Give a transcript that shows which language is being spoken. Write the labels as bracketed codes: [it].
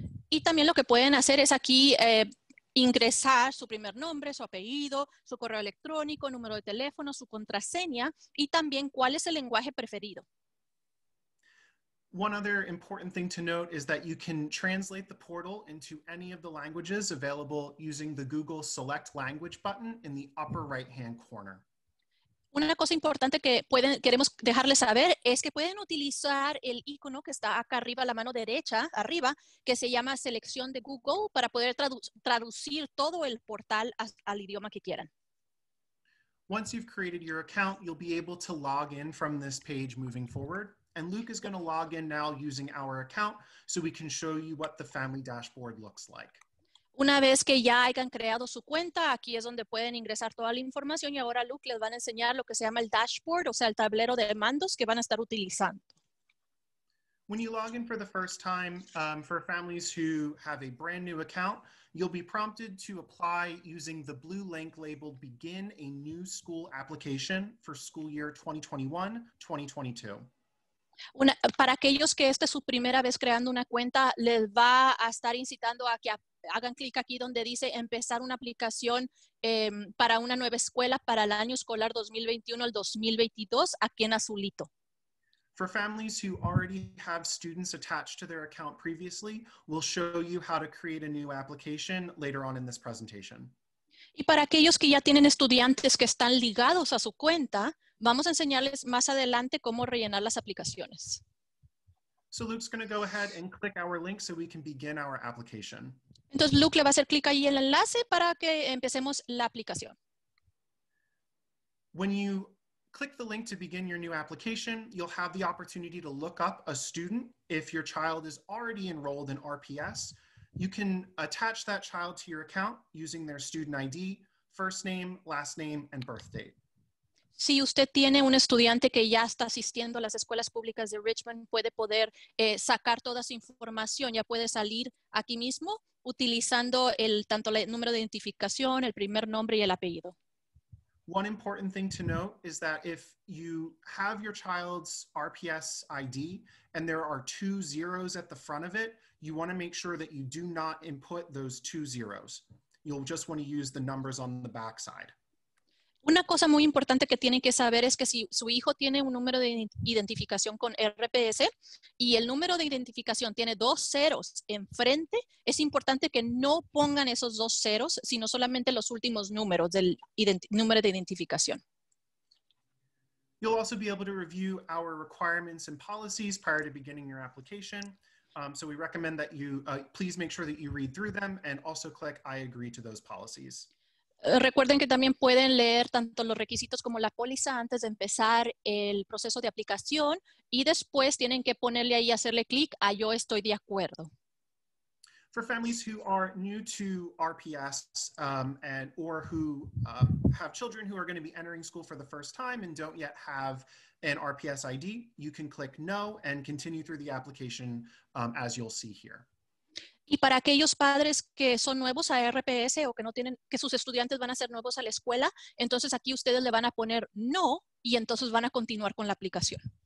[es] Y también lo que pueden hacer es aquí ingresar su primer nombre, su apellido, su correo electrónico, número de teléfono, su contraseña, y también cuál es el lenguaje preferido. [en] One other important thing to note is that you can translate the portal into any of the languages available using the Google Select Language button in the upper right-hand corner. [es] Una cosa importante que queremos dejarles saber es que pueden utilizar el icono que está acá arriba a la mano derecha, arriba, que se llama Selección de Google para poder traducir todo el portal al idioma que quieran. [en] Once you've created your account, you'll be able to log in from this page moving forward. And Luke is going to log in now using our account so we can show you what the family dashboard looks like. [es] Una vez que ya hayan creado su cuenta, aquí es donde pueden ingresar toda la información y ahora Luke les van a enseñar lo que se llama el dashboard, o sea, el tablero de mandos que van a estar utilizando. [en] When you log in for the first time, for families who have a brand new account, you'll be prompted to apply using the blue link labeled Begin a New School Application for school year 2021-2022. [es] Para aquellos que esta es su primera vez creando una cuenta, les va a estar incitando a que hagan clic aquí donde dice empezar una aplicación para una nueva escuela para el año escolar 2021 al 2022 aquí en azulito. [en] For families who already have students attached to their account previously, we'll show you how to create a new application later on in this presentation. [es] Y para aquellos que ya tienen estudiantes que están ligados a su cuenta, vamos a enseñarles más adelante cómo rellenar las aplicaciones. [en] So Luke's going to go ahead and click our link so we can begin our application. [es] Entonces Luke le va a hacer clic ahí en el enlace para que empecemos la aplicación. [en] When you click the link to begin your new application, you'll have the opportunity to look up a student. If your child is already enrolled in RPS, you can attach that child to your account using their student ID, first name, last name, and birth date. [es] Si usted tiene un estudiante que ya está asistiendo a las escuelas públicas de Richmond, puede poder sacar toda su información, ya puede salir aquí mismo utilizando el tanto el número de identificación, el primer nombre y el apellido. [en] One important thing to note is that if you have your child's RPS ID and there are two zeros at the front of it, you want to make sure that you do not input those two zeros. You'll just want to use the numbers on the backside. [es] Una cosa muy importante que tienen que saber es que si su hijo tiene un número de identificación con RPS y el número de identificación tiene dos ceros enfrente, es importante que no pongan esos dos ceros, sino solamente los últimos números del número de identificación. [en] You'll also be able to review our requirements and policies prior to beginning your application. So we recommend that you please make sure that you read through them and also click I agree to those policies. [es] Recuerden que también pueden leer tanto los requisitos como la póliza antes de empezar el proceso de aplicación y después tienen que ponerle ahí, hacerle clic a yo estoy de acuerdo. [en] For families who are new to RPS and or who have children who are going to be entering school for the first time and don't yet have an RPS ID, you can click no and continue through the application as you'll see here. [es] Y para aquellos padres que son nuevos a RPS o que no tienen, que sus estudiantes van a ser nuevos a la escuela, entonces aquí ustedes le van a poner no y entonces van a continuar con la aplicación.